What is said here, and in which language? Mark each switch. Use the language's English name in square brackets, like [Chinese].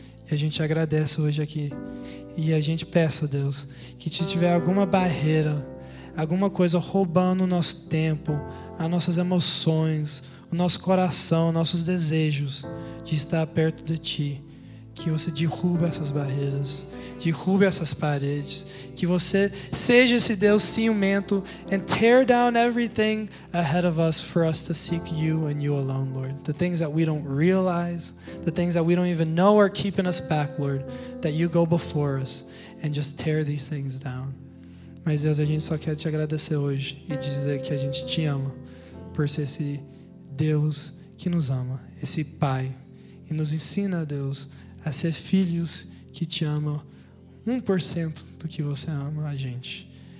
[Portuguese] E a gente agradece hoje aqui. E a gente peça, Deus, que se tiver alguma barreira, alguma coisa roubando o nosso tempo, as nossas emoções, o nosso coração, nossos desejos de estar perto de Ti, que você derruba essas barreiras, derruba essas paredes, que você seja esse Deus ciumento [English] and tear down everything ahead of us for us to seek you and you alone, Lord. The things that we don't realize, the things that we don't even know are keeping us back, Lord, that you go before us and just tear these things down. [Portuguese] Mas Deus, a gente só quer te agradecer hoje e dizer que a gente te ama por ser esse Deus que nos ama, esse Pai, e nos ensina, Deus, a ser filhos que te amam 1% do que você ama a gente.